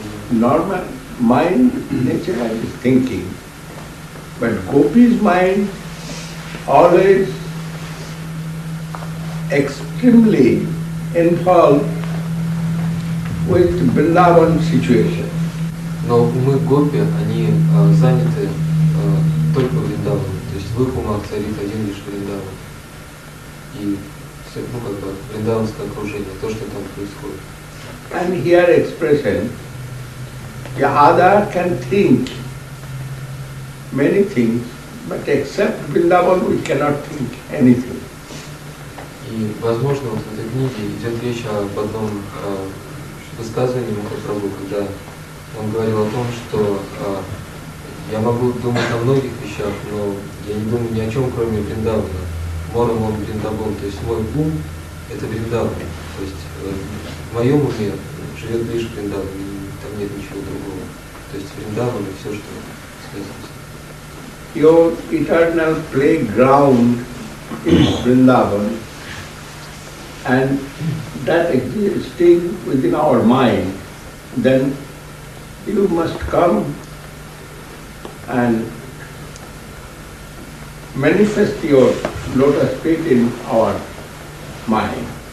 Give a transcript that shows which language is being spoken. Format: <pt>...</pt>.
<en>Normal mind, nature is thinking. But gopi's mind always extremely involved with Vrindavan situation.</en> <ru>Но умы гопи, они заняты только Вриндаваном. То есть в их умах царит один лишь Вриндаван. И все, ну как бы, Вриндаванское окружение, то, что там происходит.</ru> <en>And here expression, the other can think many things, but except Vrindavan we cannot think anything.</en> <ru>И, возможно, вот в этой книге идет речь об одном высказывании Махапрабху, когда он говорил о том, что я могу думать о многих вещах, но я не думаю ни о чем, кроме Вриндавана. Морам он Вриндавон, то есть мой ум – это Вриндаван. То есть в моем уме живет лишь Вриндаван, и там нет ничего другого. То есть Вриндаван и все, что связано с ним.</ru> <en>Your eternal playground is Vrindavan, and that existing within our mind, then you must come and manifest your lotus feet in our mind.</en>